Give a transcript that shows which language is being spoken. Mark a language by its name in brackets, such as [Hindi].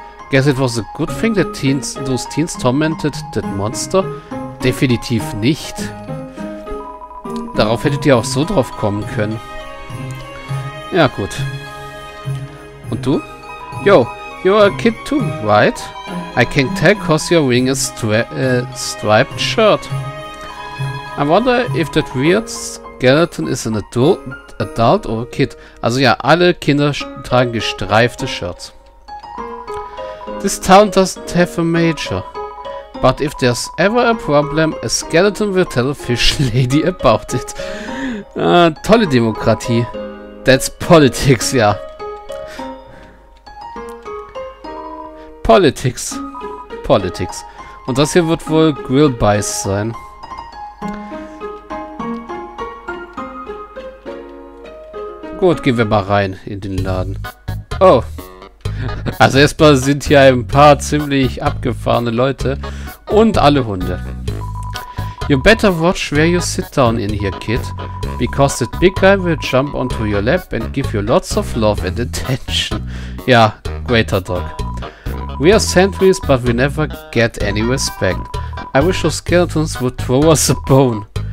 [English] Guess it was a good thing that those teens tormented that monster? [German] Definitiv nicht. Darauf hättet ihr auch so drauf kommen können. Ja, gut. Und du? [English] Yo, you're a kid too, right? I can tell cause your wearing a striped shirt. I wonder if that weird skeleton is an adult or a kid. [German] Also ja, alle Kinder tragen gestreifte Shirts. [English] This town doesn't have a major. But if there's ever a problem, a skeleton will tell a fish lady about it. [German] Tolle Demokratie. [English] That's politics, ja. Politics. Politics. [German] Und das hier wird wohl Grillbeiß sein. Gut, gehen wir mal rein in den Laden. Oh. Also erstmal sind hier ein paar ziemlich abgefahrene Leute. Und alle Hunde. [English] You better watch where you sit down in here, kid. Because that big guy will jump onto your lap and give you lots of love and attention. Ja, greater dog. We are sentries, but we never get any respect. I wish those skeletons would throw us a bone.